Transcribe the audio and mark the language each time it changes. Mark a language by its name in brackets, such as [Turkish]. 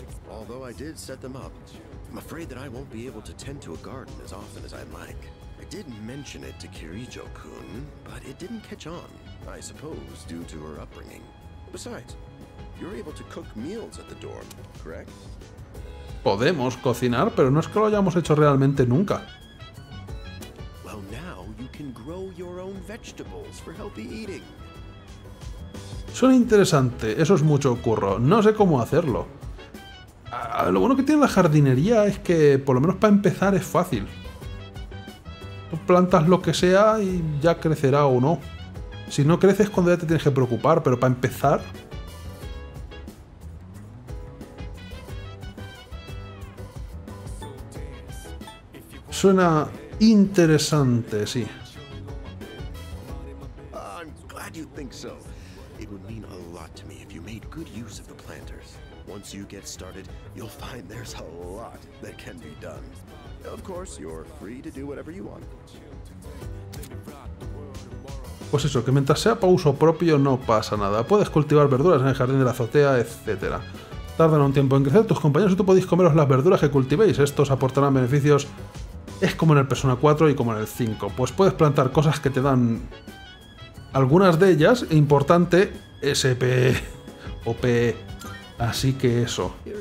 [English] Although I did set them up, I'm afraid that I won't be able to tend to a garden as often as I'd like. I did mention it to Kirijo-kun, but it didn't catch on, I suppose, due to her upbringing. Besides, you're able to cook meals at the dorm, correct? [Spanish] Podemos cocinar, pero no es que lo hayamos hecho realmente nunca. [English] Well, now you can grow your own vegetables for healthy eating. [Spanish] Suena interesante, eso es mucho curro. No sé cómo hacerlo. Lo bueno que tiene la jardinería es que, por lo menos para empezar, es fácil. Tú plantas lo que sea y ya crecerá o no. Si no creces, cuando ya te tienes que preocupar, pero para empezar... Suena interesante, sí. [English] I'm glad you think so. It would mean a lot to me if you made good use of the planters. Once you get started, you'll find there's a lot that can be done. Of course, you're free to do whatever you want. [Spanish] Pues eso, que mientras sea para uso propio no pasa nada. Puedes cultivar verduras en el jardín de la azotea, etcétera. Tardan un tiempo en crecer, tus compañeros y tú podéis comeros las verduras que cultivéis. Estos aportarán beneficios. Es como en el Persona 4 y como en el 5. Pues puedes plantar cosas que te dan... Algunas de ellas, importante, SP o PE. Así que eso.